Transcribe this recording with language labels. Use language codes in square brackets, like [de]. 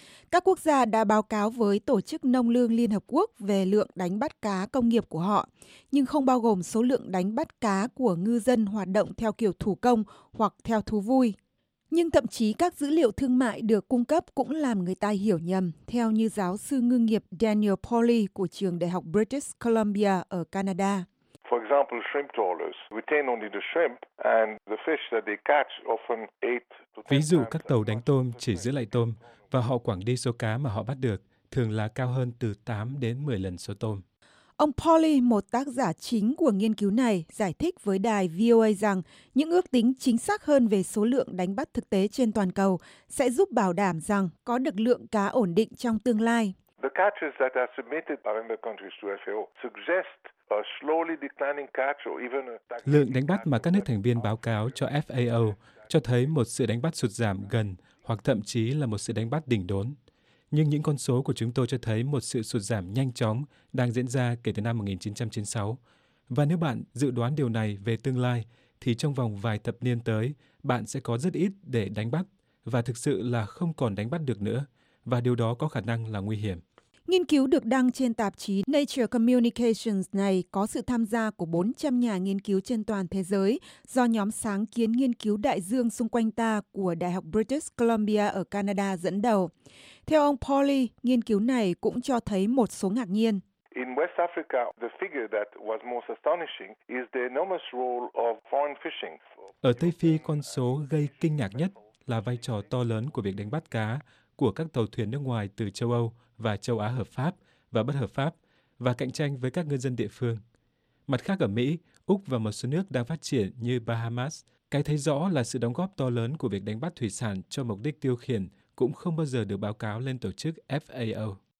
[vi] Các quốc gia đã báo cáo với Tổ chức Nông lương Liên Hợp Quốc về lượng đánh bắt cá công nghiệp của họ, nhưng không bao gồm số lượng đánh bắt cá của ngư dân hoạt động theo kiểu thủ công hoặc theo thú vui. Nhưng thậm chí các dữ liệu thương mại được cung cấp cũng làm người ta hiểu nhầm, theo như giáo sư ngư nghiệp Daniel Pauly của trường Đại học British Columbia ở Canada. [en] For example, shrimp trawlers retain only the shrimp and the fish that they catch often 8 to 10. [vi] Ví dụ các tàu đánh tôm chỉ giữ lại tôm và họ quảng đi số cá mà họ bắt được, thường là cao hơn từ 8 đến 10 lần số tôm. Ông Pauly, một tác giả chính của nghiên cứu này, giải thích với đài VOA rằng những ước tính chính xác hơn về số lượng đánh bắt thực tế trên toàn cầu sẽ giúp bảo đảm rằng có được lượng cá ổn định trong tương lai. [en] The catches that are submitted by member countries to FAO suggest a slowly declining catch or even a stagnating catch. [vi] Lượng đánh bắt mà các nước thành viên báo cáo cho FAO cho thấy một sự đánh bắt sụt giảm gần hoặc thậm chí là một sự đánh bắt đỉnh đốn. Nhưng những con số của chúng tôi cho thấy một sự sụt giảm nhanh chóng đang diễn ra kể từ năm 1996. Và nếu bạn dự đoán điều này về tương lai, thì trong vòng vài thập niên tới, bạn sẽ có rất ít để đánh bắt và thực sự là không còn đánh bắt được nữa. Và điều đó có khả năng là nguy hiểm. Nghiên cứu được đăng trên tạp chí Nature Communications này có sự tham gia của 400 nhà nghiên cứu trên toàn thế giới do nhóm sáng kiến nghiên cứu đại dương xung quanh ta của Đại học British Columbia ở Canada dẫn đầu. Theo ông Pauly, nghiên cứu này cũng cho thấy một số ngạc nhiên. [en] In West Africa, the figure that was most astonishing is the enormous role of foreign fishing. [vi] Ở Tây Phi, con số gây kinh ngạc nhất là vai trò to lớn của việc đánh bắt cá của các tàu thuyền nước ngoài từ châu Âu và châu Á hợp pháp và bất hợp pháp và cạnh tranh với các ngư dân địa phương. Mặt khác ở Mỹ, Úc và một số nước đang phát triển như Bahamas, cái thấy rõ là sự đóng góp to lớn của việc đánh bắt thủy sản cho mục đích tiêu khiển cũng không bao giờ được báo cáo lên tổ chức FAO.